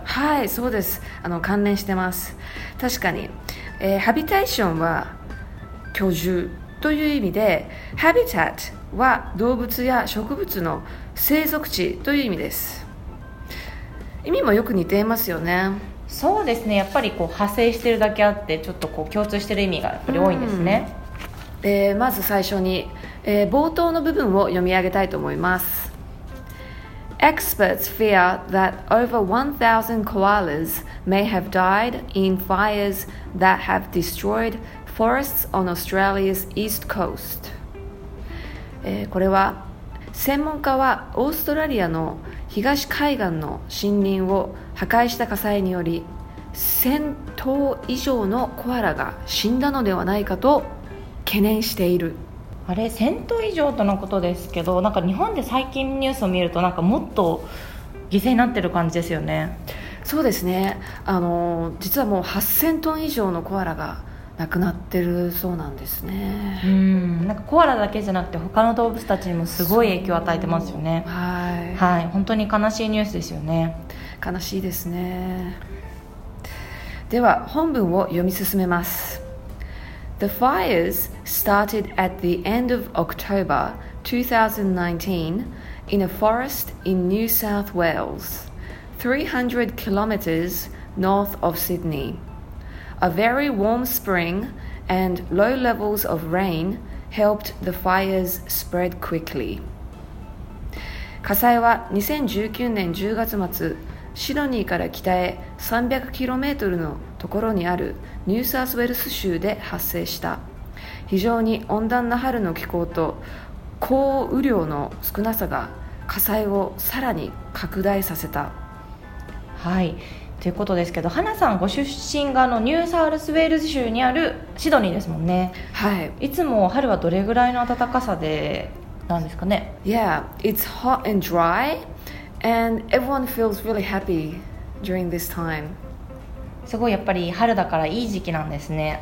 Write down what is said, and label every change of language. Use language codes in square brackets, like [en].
[ja] はい、そうです、関連してます。確かに、ハビテーションは居住という意味で、ハビタットは動物や植物の生息地という意味です。意味もよく似ていますよね。そうですね、やっぱりこう派生してるだけあって、ちょっとこう共通してる意味がやっぱり多いんですね。まず最初に、冒頭の部分を読み上げたいと思います。 [en] Experts fear that over 1,000 koalas may have died in fires that have destroyed forests on Australia's east coast。 [ja] これは専門家はオーストラリアの東海岸の森林を破壊した火災により1000頭以上のコアラが死んだのではないかと懸念している。あれ、1000頭以上とのことですけど、なんか日本で最近ニュースを見るとなんかもっと犠牲になってる感じですよね。そうですね、実はもう8000頭以上のコアラが亡くなってるそうなんですね。なんかコアラだけじゃなくて他の動物たちにもすごい影響を与えてますよね。はい、はい、本当に悲しいニュースですよね。悲しいですね。では本文を読み進めます。 [en] The fires started at the end of October 2019 in a forest in New South Wales 300 kilometers north of Sydney。 A very warm spring and low levels of rain helped the fires spread quickly。 [ja] 火災は2019年10月末シドニーから北へ 300km のところにあるニューサウスウェルス州で発生した。非常に温暖な春の気候と降雨量の少なさが火災をさらに拡大させた。はい、ということですけど、花さんご出身がニューサウスウェールズ州にあるシドニーですもんね。はい。いつも春はどれぐらいの暖かさでなんですかね。 [en] Yeah, it's hot and dry, and everyone feels really happy during this time. [ja] すごいやっぱり春だからいい時期なんですね。